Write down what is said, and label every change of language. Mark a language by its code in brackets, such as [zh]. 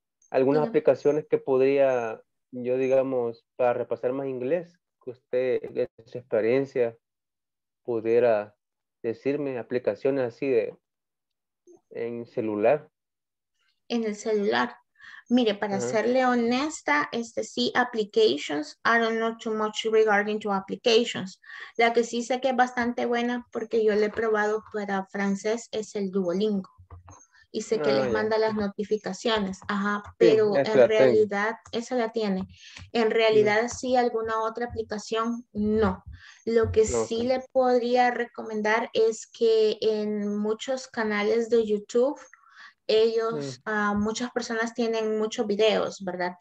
[es] Algunas aplicaciones que podría, yo digamos, para repasar más inglés, que usted, en su experiencia, pudiera decirme aplicaciones así de en celular. En el celular. Mire, para serle honesta, sí, [en] applications, I don't know too much regarding to applications. [es] La que sí sé que es bastante buena porque yo le he probado para francés es el Duolingo. Y sé que les manda las notificaciones. Ajá, pero sí, en realidad, esa la tiene. En realidad, sí, alguna otra aplicación, no. Lo que sí le podría recomendar es que en muchos canales de YouTube, ellos, muchas personas tienen muchos videos, ¿verdad?